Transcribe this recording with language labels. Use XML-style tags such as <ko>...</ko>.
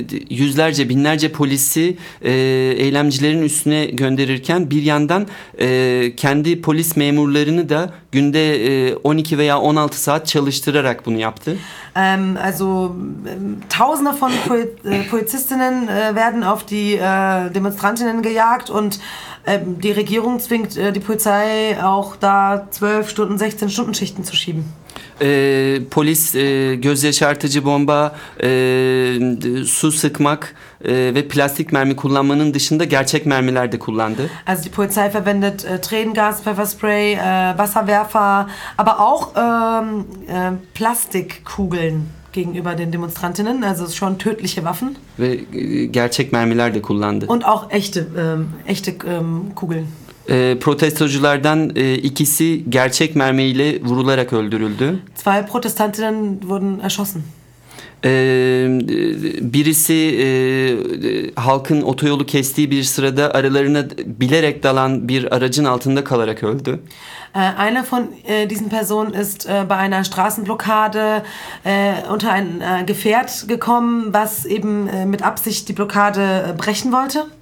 <tr>Yüzlerce, binlerce polisi eylemcilerin üstüne gönderirken bir yandan kendi polis memurlarını da günde 12 veya 16 saat çalıştırarak bunu yaptı.</tr> <de>Also tausende von Polizistinnen werden auf die Demonstrantinnen gejagt und die Regierung zwingt die Polizei auch da 12 Stunden, 16 Stunden Schichten zu schieben.</de> <tr>Polis göz yaşartıcı bomba, su sıkmak ve plastik mermi kullanmanın dışında gerçek mermiler de kullandı.</tr> <de>Also die Polizei verwendet Tränengas, Pfefferspray, Wasserwerfer, aber auch Plastikkugeln gegenüber den Demonstrantinnen, also schon tödliche Waffen.</de> <tr>Ve gerçek mermiler de kullandı.</tr> <de>Und auch echte Kugeln.</de> <tr>Protestoculardan ikisi gerçek mermiyle vurularak öldürüldü.</tr> <de>Zwei Protestantinnen wurden erschossen.</de> <tr>Birisi halkın otoyolu kestiği bir sırada aralarına bilerek dalan bir aracın altında kalarak öldü.</tr> <de>Einer von diesen Personen ist bei einer Straßenblockade unter ein Gefährt gekommen, was eben mit Absicht die Blockade brechen wollte.</de>